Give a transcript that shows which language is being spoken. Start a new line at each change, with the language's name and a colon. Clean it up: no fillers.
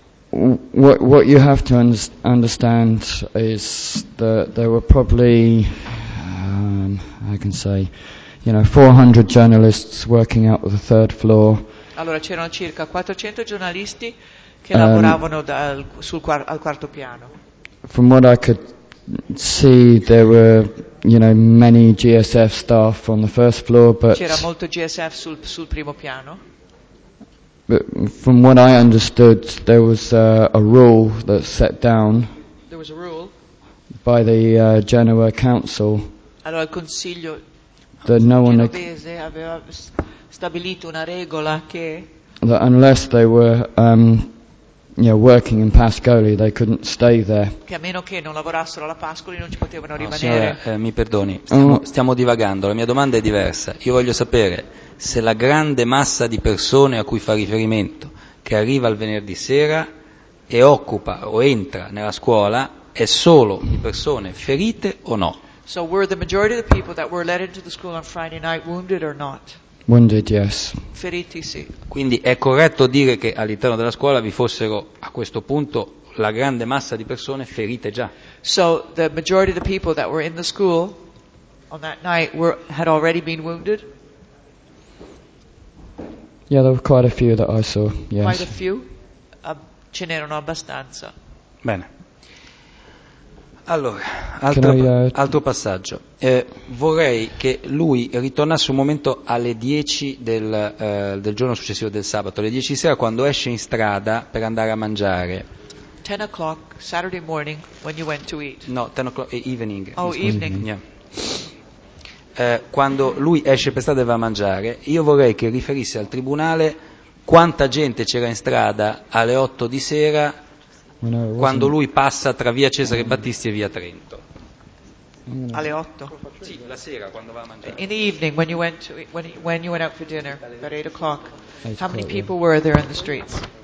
English: What you have to understand is that there were probably, I can say, 400 journalists working out of the third floor.
Italian: Allora c'erano circa 400 giornalisti che lavoravano al quarto piano.
English: From what I could see, there were, many GSF staff on the first floor, but
Italian: c'era molto GSF sul primo piano.
English: But from what I understood, there was a rule that's set down by the Genoa Council.
Italian: Allora il consiglio genovese aveva stabilito una regola che
English: that unless they were, working in Pascoli, they couldn't stay there.
Italian: Che a meno che non lavorassero alla Pascoli, non ci potevano rimanere. Signora, mi perdoni, stiamo divagando. La mia domanda è diversa. Io voglio sapere se la grande massa di persone a cui fa riferimento, che arriva il venerdì sera e occupa o entra nella scuola, è solo di persone ferite o no?
English: So were the majority of the people that were let into the school on Friday night wounded or not? Wounded, yes.
Italian: Feriti, sì. Quindi è corretto dire che all'interno della scuola vi fossero a questo punto la grande massa di persone ferite già?
English: So the majority of the people that were in the school on that night were had already been wounded? Yeah, there were quite a few that I saw, yes. Quite a few?
Italian: Ce n'erano abbastanza. Bene. Allora, altro passaggio. Vorrei che lui ritornasse un momento alle 10 del giorno successivo del sabato, alle 10 di sera, quando esce in strada per andare a mangiare.
English: 10 o'clock, Saturday morning, when you went to eat. No, 10 o'clock, evening. Oh,
Italian: scusi.
English: Evening. Yeah.
Italian: Quando lui esce per strada e va a mangiare, io vorrei che riferisse al tribunale quanta gente c'era in strada alle 8 di sera quando lui passa tra via Cesare Battisti e via Trento. Alle 8? Sì, la sera quando va a mangiare.
English: In the evening when you went to, when you went out for dinner at 8 o'clock, how many people were there in the streets?